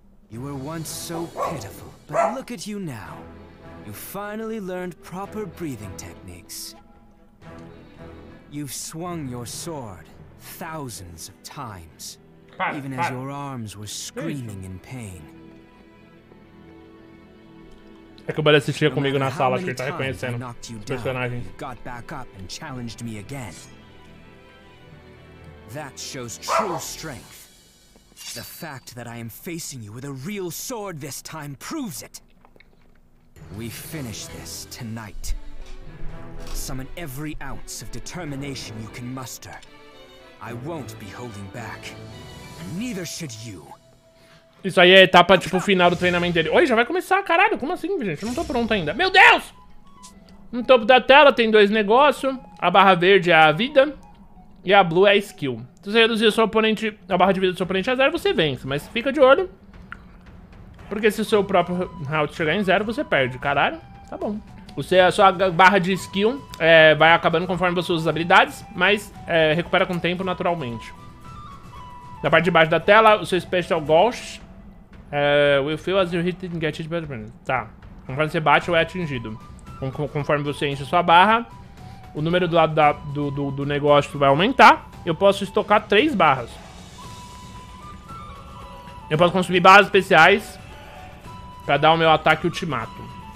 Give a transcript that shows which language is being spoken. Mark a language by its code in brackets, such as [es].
[en] You were once so pitiful, but look at you now. You finally learned proper breathing techniques. You've swung your sword thousands of times, even as your arms were screaming in pain. [pt] É que o Bale assistia comigo na sala, acho que ele tá reconhecendo o personagem. [en] You got back up and challenged me again. That shows true strength. The fact that I am facing you with a real sword this time proves it. We finish this tonight. Summon every ounce of determination you can muster. I won't be holding back. Neither should you. [pt] Isso aí é a etapa tipo final do treinamento dele. Oi, já vai começar, caralho. Como assim, gente? Eu não tô pronto ainda. Meu Deus! No topo da tela tem dois negócios. A barra verde é a vida. E a blue é a skill. Se você reduzir seu oponente, a barra de vida do seu oponente a zero, você vence. Mas fica de olho. Porque se o seu próprio round chegar em zero, você perde. Caralho, tá bom. A sua barra de skill vai acabando conforme você usa as habilidades, mas recupera com o tempo naturalmente. Na parte de baixo da tela, o seu special gosh. [en] Will feel as you hit and get hit better. [pt] Tá. Conforme você bate, ou é atingido. Conforme você enche a sua barra, o número do lado do negócio vai aumentar. Eu posso estocar 3 barras. Eu posso consumir barras especiais pra dar o meu ataque ultimato.